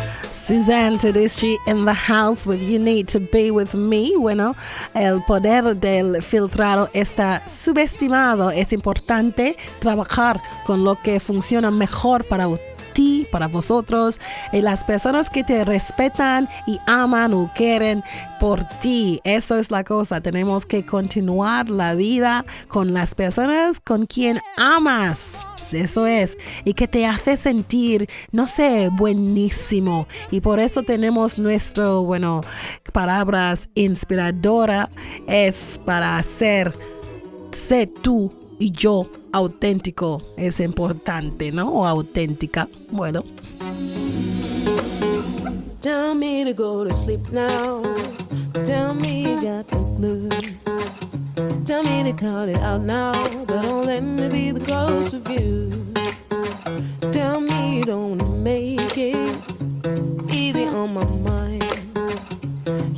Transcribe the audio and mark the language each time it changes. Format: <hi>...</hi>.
<en>Suzanne Tedeschi in the house with You Need to Be With Me.</en> <es>Bueno, el poder del filtrado está subestimado. Es importante trabajar con lo que funciona mejor para ti, para vosotros, y las personas que te respetan y aman o quieren por ti. Eso es la cosa. Tenemos que continuar la vida con las personas con quien amas. Eso es, y que te hace sentir, no sé, buenísimo. Y por eso tenemos nuestro, bueno, palabras inspiradora, es para hacer, sé tú y yo auténtico, es importante, ¿no? O auténtica, bueno.</es> <en>Tell me to go to sleep now, tell me you got the blues. Tell me to cut it out now, but don't let me be the ghost of you. Tell me you don't want to make it easy on my mind.</en>